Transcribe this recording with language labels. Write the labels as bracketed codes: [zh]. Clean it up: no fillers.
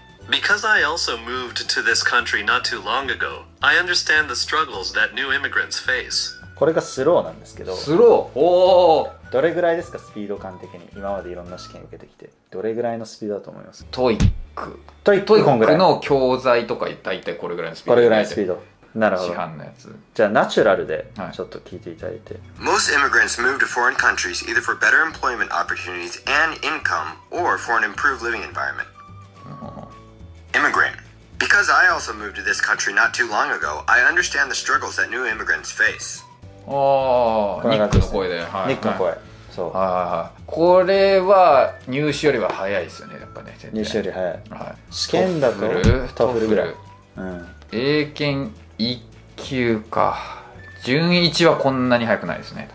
[en] Because I also moved to this country not too long ago, I understand the struggles that new immigrants face. [ja] これがスローなんですけど、スロー、おお、どれぐらいですか、スピード感的に。今までいろんな試験受けてきて、どれぐらいのスピードだと思います？トイック。トイック、こんぐらい。トイックの教材とか、大体これぐらいのスピード。これぐらいのスピード。なるほど。市販のやつ。じゃあ、ナチュラルで、ちょっと聞いていただいて。 [en] Most immigrants move to foreign countries either for better employment opportunities and income or for an improved living environment. Immigrant. Because I also moved to this country not too long ago, I understand the struggles that new immigrants face. [ja] ああ、ね、ニックの声で、はい、ニックの声、はい、そう、はいはい、これは入試よりは早いですよね、やっぱね、入試より早い、はい、試験だとトフルぐらい、うん、英検1級か、準1はこんなに早くないですね。